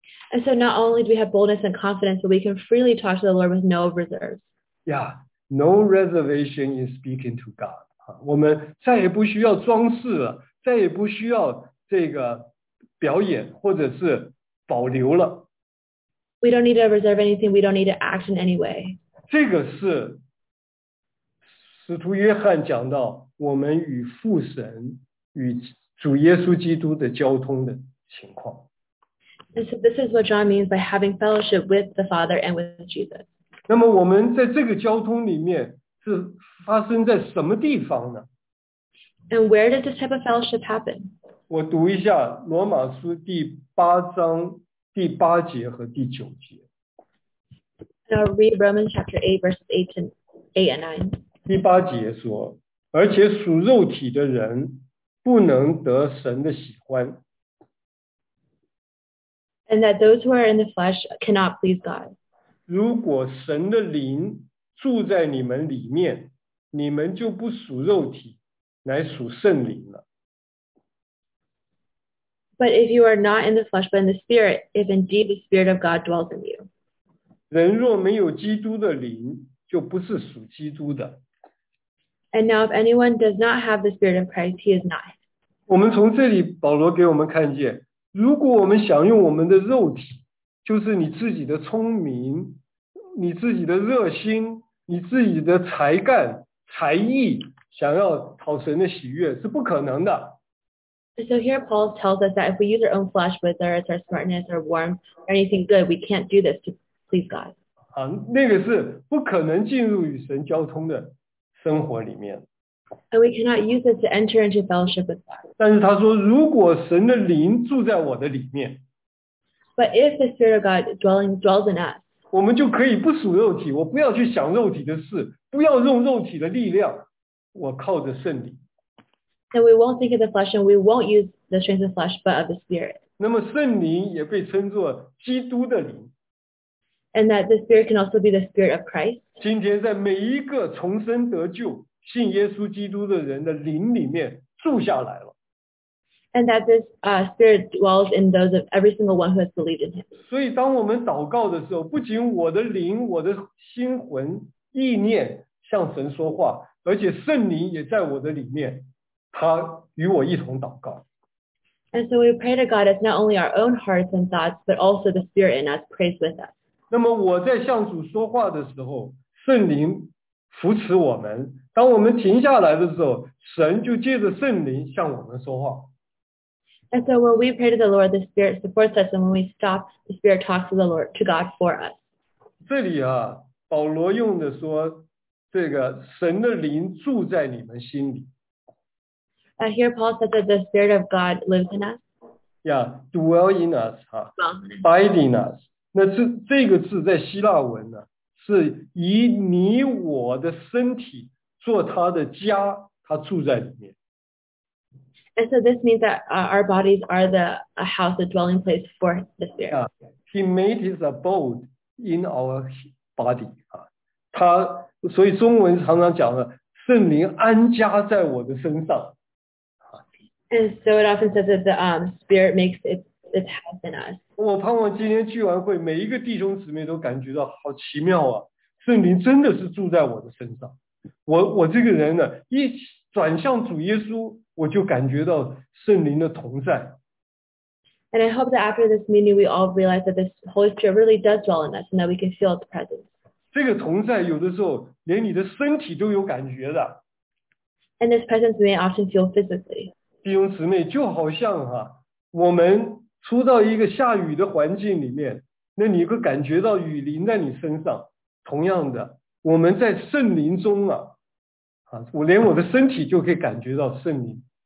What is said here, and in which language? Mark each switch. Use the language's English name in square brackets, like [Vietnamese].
[English] And so not only do we have boldness and confidence, but we can freely talk to the Lord with no reserves. Yeah, no reservation in speaking to God. [Chinese] 我们再也不需要装饰了，再也不需要这个表演或者是保留了。 [English] We don't need to reserve anything. We don't need to act in any way. [Chinese] 这个是。使徒约翰讲到我们与父神与主耶稣基督的交通的情况。 [English] And so this is what John means by having fellowship with the Father and with Jesus. [Chinese] 那么我们在这个交通里面是发生在什么地方呢？ [English] And where does this type of fellowship happen? [Chinese] 我读一下罗马书第八章第八节和第九节。 [English] And I'll read Romans chapter 8 verses 8 and 9. [Chinese] 第八节说，而且属肉体的人不能得神的喜欢。 [English] And that those who are in the flesh cannot please God. [Chinese] 如果神的灵住在你们里面，你们就不属肉体，乃属圣灵了。 [English] But if you are not in the flesh, but in the spirit, if indeed the spirit of God dwells in you. [Chinese] 人若没有基督的灵，就不是属基督的。 [English] And now if anyone does not have the Spirit of Christ, he is not. [Chinese] 我们从这里保罗给我们看见，如果我们想用我们的肉体，就是你自己的聪明，你自己的热心，你自己的才干，才艺，想要讨神的喜悦，是不可能的。 [English] So here Paul tells us that if we use our own flesh, whether it's our smartness or warmth or anything good, we can't do this to please God. [Chinese] 啊，那个是不可能进入与神交通的。生活里面 [English] And we cannot use it to enter into fellowship with God. [Chinese] 但是他说，如果神的灵住在我的里面 [English] But if the Spirit of God dwells in us, [Chinese] 我们就可以不属肉体，我不要去想肉体的事，不要用肉体的力量，我靠着圣灵 [English] Then we won't think of the flesh and we won't use the strength of flesh, but of the Spirit. [Chinese] 那么圣灵也被称作基督的灵 [English] And that the Spirit can also be the Spirit of Christ. [Chinese] 今天在每一个重生得救、信耶稣基督的人的灵里面住下来了。 [English] And that this Spirit dwells in those of every single one who has believed in Him. [Chinese] 所以当我们祷告的时候，不仅我的灵、我的心魂、意念向神说话，而且圣灵也在我的里面，他与我一同祷告。 [English] And so we pray to God as not only our own hearts and thoughts, but also the Spirit in us prays with us. [Chinese] 那么我在向主说话的时候，圣灵扶持我们。当我们停下来的时候，神就借着圣灵向我们说话。 [English] And so when we pray to the Lord, the Spirit supports us, and when we stop, the Spirit talks to the Lord, to God for us. [Chinese] 这里啊，保罗用的说，这个神的灵住在你们心里。 [English] Here Paul says that the Spirit of God lives in us. Yeah, dwell in us, abiding us. [Chinese] 那这个字在希腊文呢，是以你我的身体做他的家，他住在里面。 [English] And so this means that our bodies are the a house, a dwelling place for the Spirit. Yeah, he made his abode in our body. [Chinese] 他所以中文常常讲了，圣灵安家在我的身上。 [English] And so it often says that the Spirit makes its house in us. [Chinese] 我盼望今天聚完会，每一个弟兄姊妹都感觉到好奇妙啊！圣灵真的是住在我的身上，我这个人呢，一转向主耶稣，我就感觉到圣灵的同在。 [English] And I hope that after this meeting, we all realize that this Holy Spirit really does dwell in us, and that we can feel its presence. [Chinese] 这个同在有的时候连你的身体都有感觉的。 [English] And this presence may often feel physically. [Chinese] 弟兄姊妹，就好像哈、啊，我们。出到一个下雨的环境里面，那你会感觉到雨淋在你身上。同样的，我们在圣灵中啊，我连我的身体就可以感觉到圣灵。